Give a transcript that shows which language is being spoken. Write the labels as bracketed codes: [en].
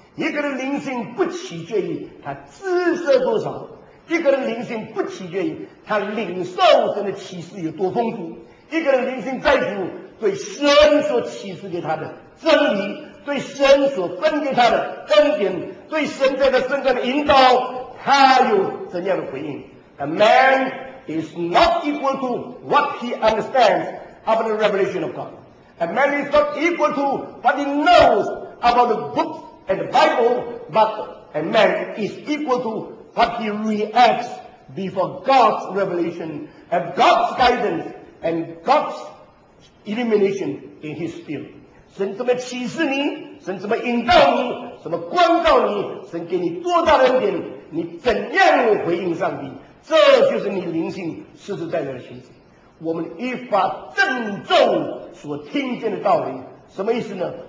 [zh] 一个人灵性不取决于他知识多少，一个人灵性不取决于他领受神的启示有多丰富，一个人灵性在乎对神所启示给他的真理，对神所分给他的恩典，对神在他身上的引导，他有怎样的回应。 [en] A manis not equal to what he understands about the revelation of God. A man is not equal to what he knows about the books and the Bible, but a man is equal to what he reacts before God's revelation and God's guidance and God's illumination in his spirit. [zh] 神怎么启示你，神怎么引导你，怎么光照你，神给你多大的恩典，你怎样回应上帝，这就是你灵性实实在在的形式。我们愈发郑重所听见的道理，什么意思呢？